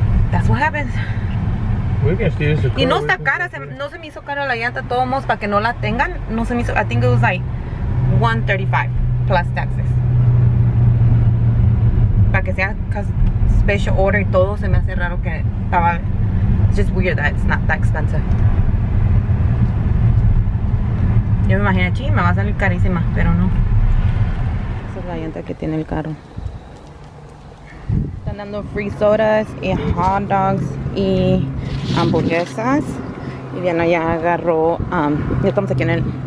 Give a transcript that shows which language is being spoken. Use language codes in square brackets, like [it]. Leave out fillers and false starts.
[en] That's what happens. [es] Y no está cara, no se me hizo cara la llanta, todos modos, para que no la tengan. No se me hizo, [en] I think it was like $135 plus taxes. [es] Para que sea [en] special order [es] y todo, se me hace raro que estaba. [en] It's just weird that it's not that expensive. [es] Yo me imagino, ching, me va a salir carísima, pero no. Esa es la llanta que tiene el carro. Están dando [en] free sodas [es] y hot dogs y hamburguesas. Y Diana ya agarró, ya estamos aquí en el...